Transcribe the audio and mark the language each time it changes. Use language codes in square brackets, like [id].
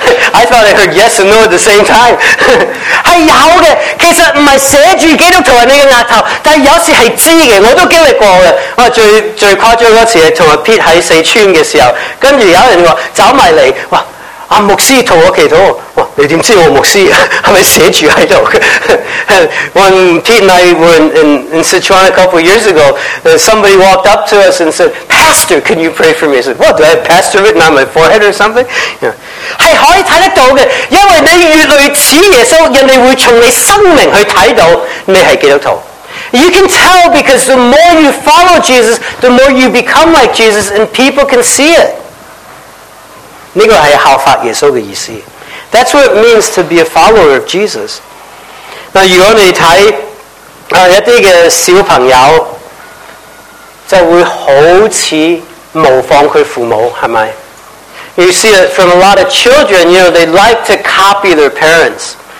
[en] I thought I heard yes and no at the same time. [zh] 是有的，其实不是写着基督徒在你的额头，但有时是知的，我都经历过的。我最夸张的时候和 Pete 在四川的时候，跟着有人说走过来，哇，啊，牧师和我祈祷，哇，你怎么知道我牧师是不是写着在这里？ [en] When Pete and I were in Sichuan a couple years ago, somebody walked up to us and said, Pastor, can you pray for me? I said, what, do I have pastor written on my forehead or something? Yeah. [zh] 是可以看得到的，因为你越来越像耶稣，人家会从你生命去看到你是基督徒。 [en] You can tell because the more you follow Jesus, the more you become like Jesus, and people can see it. [zh] 这个是效法耶稣的意思。 [en] That's what it means to be a follower of Jesus. [zh] 那如果你看一些小朋友, 就会好像模仿他父母，是吗？ [en] You see it from a lot of children, you know, they like to copy their parents.